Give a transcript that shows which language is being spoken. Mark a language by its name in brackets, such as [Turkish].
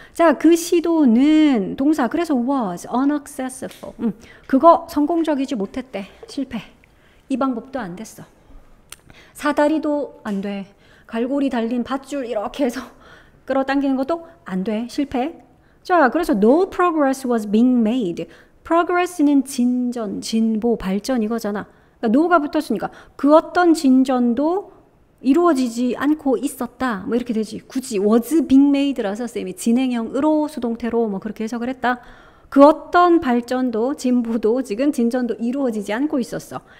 [Korean] 자, 그 시도는 동사, 그래서 was unsuccessful. 그거 성공적이지 못했대. 실패. 이 방법도 안 됐어. 사다리도 안 돼. 갈고리 달린 밧줄 이렇게 해서 끌어당기는 것도 안 돼. 실패. [English] 자, 그래서 no progress was being made. [Korean] progress는 진전, 진보, 발전 이거잖아. 그러니까 no가 붙었으니까 그 어떤 진전도 이루어지지 않고 있었다. 뭐 이렇게 되지. 굳이 was being made 라서 쌤이 진행형으로 수동태로 뭐 그렇게 해석을 했다. 그 어떤 발전도 진보도 지금 진전도 이루어지지 않고 있었어.